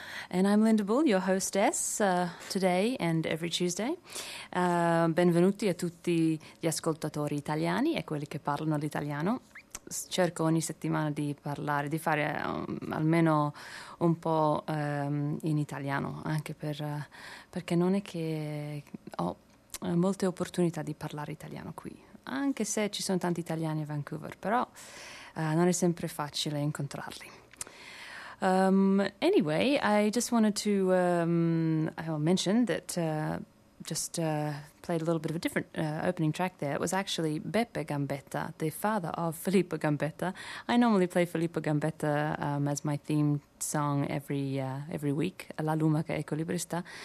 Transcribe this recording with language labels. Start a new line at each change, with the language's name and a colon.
English: And I'm Linda Bull, your hostess today and every Tuesday.
Italian: Benvenuti a tutti gli ascoltatori italiani e quelli che parlano l'italiano. Cerco ogni settimana di parlare, di fare almeno un po' in italiano, anche perché non è che ho molte opportunità di parlare italiano qui, anche se ci sono tanti italiani a Vancouver, però non è sempre facile incontrarli.
English: Anyway, I just wanted to mention that played a little bit of a different opening track there. It was actually Beppe Gambetta, the father of Filippo Gambetta. I normally play Filippo Gambetta as my theme song every week, La Lumaca Equilibrista.